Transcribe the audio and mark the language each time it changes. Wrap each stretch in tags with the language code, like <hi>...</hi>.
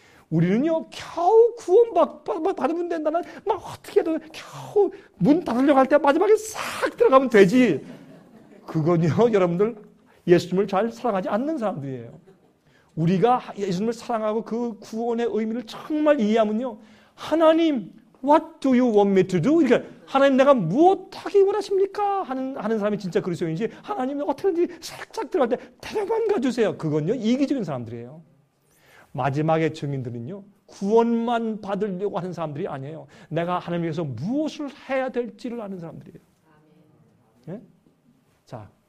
<ko>우리는요, 겨우 구원받으면 된다는, 막 어떻게 해도 겨우 문 닫으려고 할 때 마지막에 싹 들어가면 되지. 그건요, 여러분들 예수님을 잘 사랑하지 않는 사람들이에요. 우리가 예수님을 사랑하고 그 구원의 의미를 정말 이해하면요.</ko> <en>하나님, what do you want me to do?</en> <ko>그러니까 하나님 내가 무엇하기 원하십니까? 하는 사람이 진짜 그러시오인지, 하나님 어떻게든지 살짝 들어갈 때 데려만 가주세요. 그건요, 이기적인 사람들이에요. 마지막의 증인들은요, 구원만 받으려고 하는 사람들이 아니에요. 내가 하나님께서 무엇을 해야 될지를 아는 사람들이에요. 예? 자.</ko>